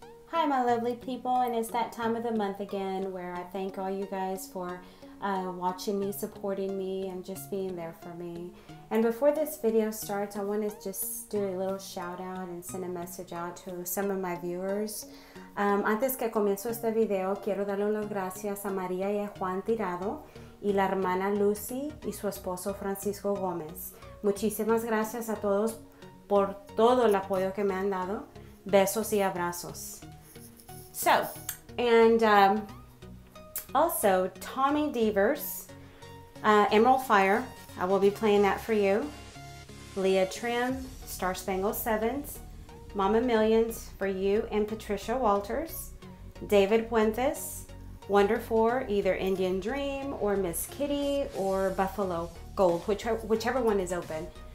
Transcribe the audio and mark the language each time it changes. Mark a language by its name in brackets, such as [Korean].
[English] Hi, my lovely people, and it's that time of the month again where I thank all you guys for watching me, supporting me, and just being there for me. And before this video starts, I want to just do a little shout out and send a message out to some of my viewers. [Spanish] Antes que comienzo este video, quiero darle las gracias a María y a Juan Tirado y la hermana Lucy y su esposo Francisco Gómez. Muchísimas gracias a todos por todo el apoyo que me han dado. Besos y abrazos. [English] So, and also Tommy Devers, Emerald Fire, I will be playing that for you. Leah Trim, Star Spangled Sevens, Mama Millions for you and Patricia Walters, David Puentes, Wonder Four, either Indian Dream or Miss Kitty or Buffalo Gold, whichever one is open.